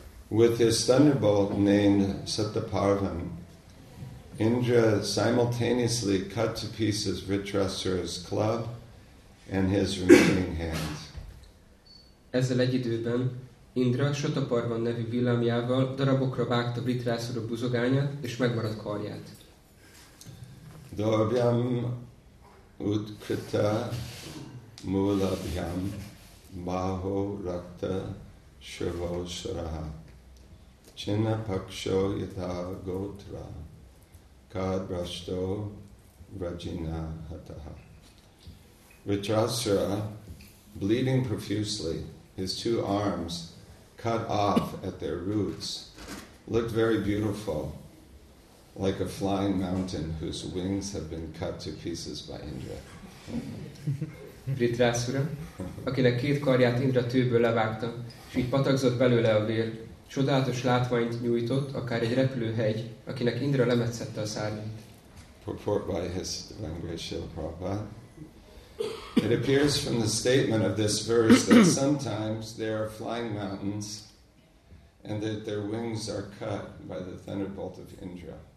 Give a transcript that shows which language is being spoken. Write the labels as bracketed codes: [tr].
[en] With his thunderbolt named Sataparvam, Indra simultaneously cut to pieces Vritrasura's club and his remaining hand. [hu] Ezzel egy időben Indra Sataparvan nevű villámjával darabokra vágta Vritrasura buzogányát és megmaradt karját. [sa] Dorbyam utkrita mulabhyam baho rakta shravo saraha chinna paksho yatha gotra kad brashto vrajina hataha. [en] Vritrasura, bleeding profusely, his two arms cut off at their roots, looked very beautiful, like a flying mountain whose wings have been cut to pieces by Indra. [hu] Vritrasura, akinek két karját Indra tőből levágta, s így patakzott belőle a vér, csodálatos látványt nyújtott, akár egy repülőhegy, akinek Indra lemetszette a szárnyát. [en] Purport by his language, Srila Prabhupada. It appears from the statement of this verse that sometimes there are flying mountains and that their wings are cut by the thunderbolt of Indra.